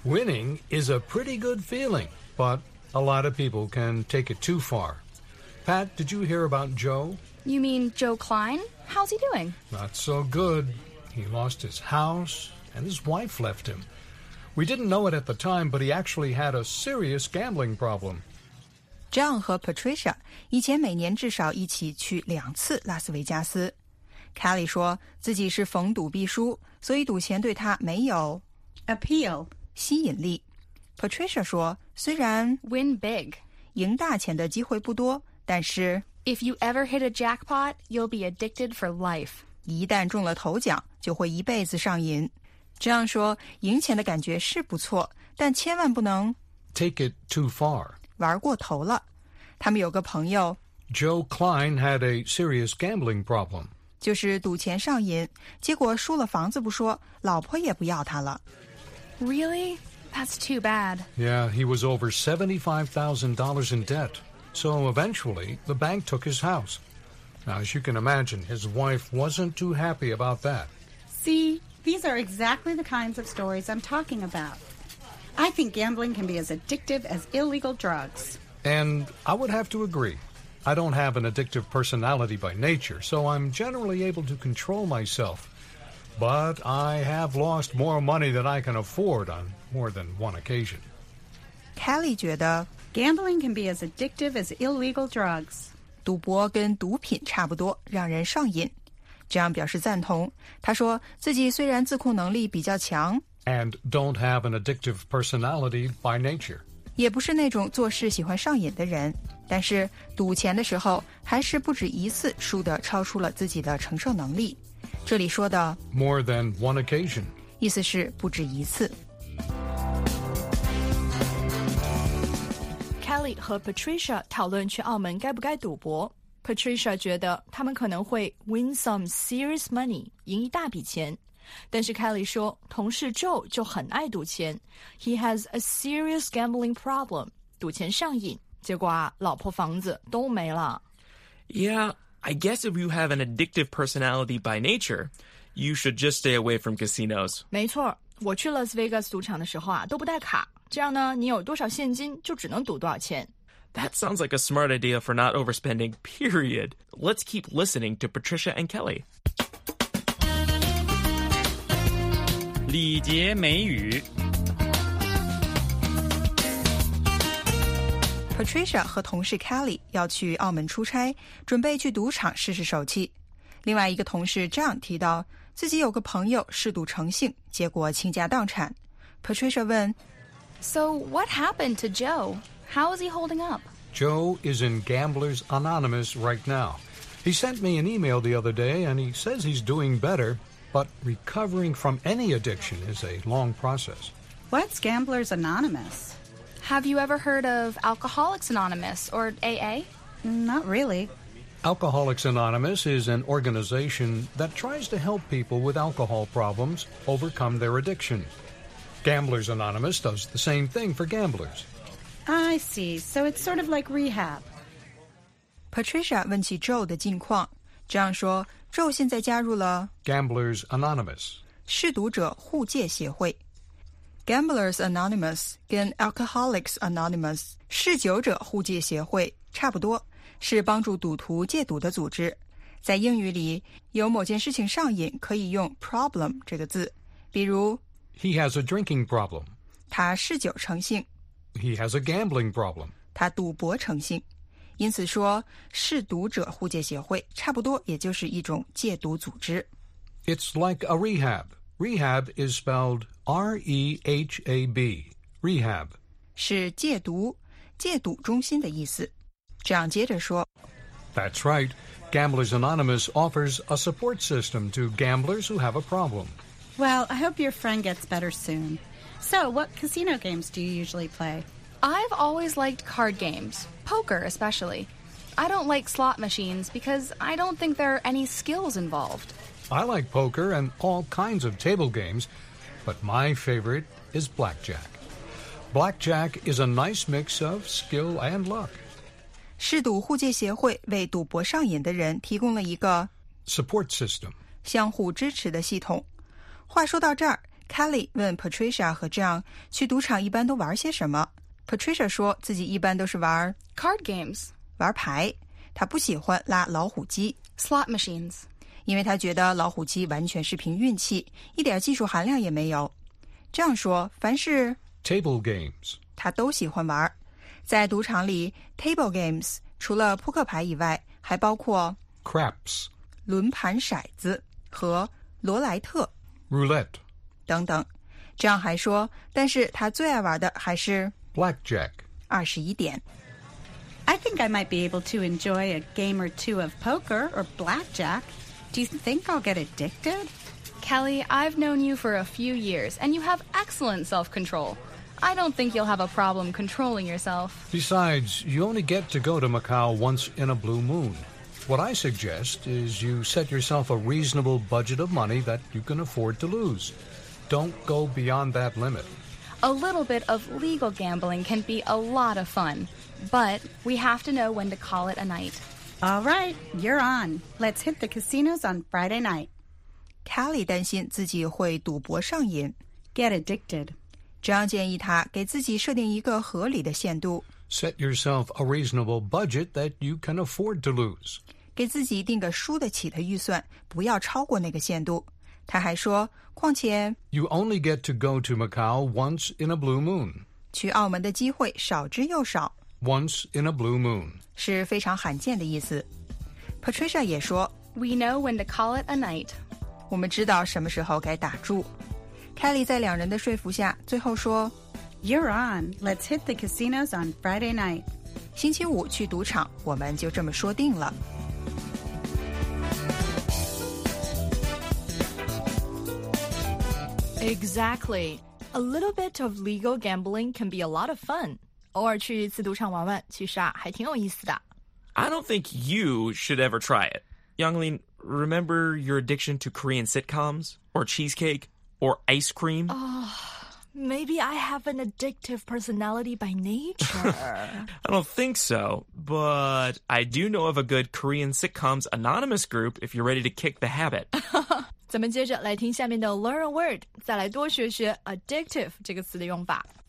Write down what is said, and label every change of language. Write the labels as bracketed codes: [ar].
[en] Winning is a pretty good feeling, but a lot of people can take it too far. Pat, did you hear about Joe? You mean Joe Klein? How's he doing? Not so good. He lost his house, and his wife left him. We didn't know it at the time, but he actually had a serious gambling problem. [zh] John 和 Patricia 以前每年至少一起去两次拉斯维加斯。 Kelly 说自己是逢赌必输，所以赌钱对他没有 [en] appeal [zh] 吸引力。 Patricia 说虽然 [en] win big [zh] 赢大钱的机会不多，但是 [en] if you ever hit a jackpot, you'll be addicted for life. [zh] 一旦中了头奖就会一辈子上瘾。这样说赢钱的感觉是不错，但千万不能 [en] take it too far [zh] 玩过头了。他们有个朋友 [en] Joe Klein had a serious gambling problem. [zh] 就是赌钱上瘾，结果输了房子不说，老婆也不要他了。 [en] Really? That's too bad. Yeah, he was over $75,000 in debt. So eventually, the bank took his house. Now, as you can imagine, his wife wasn't too happy about that. See, these are exactly the kinds of stories I'm talking about. I think gambling can be as addictive as illegal drugs. And I would have to agree. I don't have an addictive personality by nature, so I'm generally able to control myself. But I have lost more money than I can afford on more than one occasion. [zh] Kelly 觉得 [en] gambling can be as addictive as illegal drugs. [zh] 赌博跟毒品差不多，让人上瘾。 John 表示赞同。他说自己虽然自控能力比较强 [en] and don't have an addictive personality by nature. [zh] 也不是那种做事喜欢上瘾的人。但是赌钱的时候还是不止一次输得超出了自己的承受能力。这里说的 [en] more than one occasion [zh] 意思是不止一次。 Kelly 和 Patricia 讨论去澳门该不该赌博。 Patricia 觉得他们可能会 [en] win some serious money [zh] 赢一大笔钱。但是 Kelly 说同事 Joe 就很爱赌钱。 [en] He has a serious gambling problem [zh] 赌钱上瘾。结果啊，老婆房子都没了。 [en] Yeah, I guess if you have an addictive personality by nature, you should just stay away from casinos. [zh] 没错，我去 Las Vegas 赌场的时候啊，都不带卡。这样呢，你有多少现金，就只能赌多少钱。 [en] That sounds like a smart idea for not overspending, period. Let's keep listening to Patricia and Kelly. [zh] 礼节美语 Patricia 和同事 Kelly 要去澳门出差，准备去赌场试试手气。另外一个同事 John 提到自己有个朋友嗜赌成性，结果倾家荡产。 Patricia 问 [en] So what happened to Joe? How is he holding up? Joe is in Gamblers Anonymous right now. He sent me an email the other day and he says he's doing better, but recovering from any addiction is a long process. What's Gamblers Anonymous? Have you ever heard of Alcoholics Anonymous, or AA? Not really. Alcoholics Anonymous is an organization that tries to help people with alcohol problems overcome their addiction. Gamblers Anonymous does the same thing for gamblers. I see. So it's sort of like rehab. [zh] Patricia 问起 Joe 的近况。John 说 Joe 现在加入了 [en] Gamblers Anonymous. [zh] 嗜赌者互戒协会。 Gamblers Anonymous 跟 Alcoholics Anonymous 嗜酒者互戒协会差不多，是帮助赌徒戒赌的组织。在英语里，有某件事情上瘾可以用 problem 这个字，比如 [en] He has a drinking problem. [zh] 他嗜酒成性。 [en] He has a gambling problem. [zh] 他赌博成性。因此说，嗜赌者互戒协会差不多也就是一种戒赌组织。 [en] It's like a rehab. Rehab is spelled R-E-H-A-B, rehab. [zh] 是戒毒，戒毒中心的意思。这样接着说。 [en] That's right. Gamblers Anonymous offers a support system to gamblers who have a problem. Well, I hope your friend gets better soon. So, what casino games do you usually play? I've always liked card games, poker especially. I don't like slot machines because I don't think there are any skills involved. I like poker and all kinds of table games, but my favorite is blackjack. Blackjack is a nice mix of skill and luck. [zh] 嗜赌互戒协会为赌博上瘾的人提供了一个 [en] support system [zh] 相互支持的系统。话说到这儿 ，Kelly 问 Patricia 和 John 去赌场一般都玩些什么。 Patricia 说自己一般都是玩 [en] card games [zh] 玩牌，他不喜欢拉老虎机 [en] slot machines， [zh] 因为他觉得老虎机完全是凭运气，一点技术含量也没有。这样说，凡是 [en] table games [zh] 他都喜欢玩。在赌场里 ，table games 除了扑克牌以外，还包括 [en] craps [zh] 轮盘骰子和罗莱特 [en] roulette [zh] 等等。这样还说，但是他最爱玩的还是 [en] blackjack [zh] 二十一点。 [en] I think I might be able to enjoy a game or two of poker or blackjack. Do you think I'll get addicted? Kelly, I've known you for a few years, and you have excellent self-control. I don't think you'll have a problem controlling yourself. Besides, you only get to go to Macau once in a blue moon. What I suggest is you set yourself a reasonable budget of money that you can afford to lose. Don't go beyond that limit. A little bit of legal gambling can be a lot of fun, but we have to know when to call it a night. All right, you're on. Let's hit the casinos on Friday night. [zh] Kelly 担心自己会赌博上瘾。 [en] Get addicted. [zh] John 建议他给自己设定一个合理的限度。 [en] Set yourself a reasonable budget that you can afford to lose. [zh] 给自己定个输得起的预算，不要超过那个限度。他还说，况且 [en] You only get to go to Macau once in a blue moon. [zh] 去澳门的机会少之又少。 [en] Once in a blue moon. [zh] 是非常罕见的意思。 Patricia 也说 [en] We know when to call it a night. [zh] 我们知道什么时候该打住。Kelly 在两人的说服下最后说 [en] You're on. Let's hit the casinos on Friday night. [zh] 星期五去赌场，我们就这么说定了。 [en] Exactly. A little bit of legal gambling can be a lot of fun. [zh] 偶尔去一次赌场玩玩，其实啊，还挺有意思的。 [en] I don't think you should ever try it. Younglin, remember your addiction to Korean sitcoms or cheesecake? Or ice cream? Oh, maybe I have an addictive personality by nature. I don't think so, but I do know of a good Korean sitcoms anonymous group if you're ready to kick the habit. [zh] 咱们接着来听下面的 Learn a Word, 再来多学学 addictive 这个词的用法。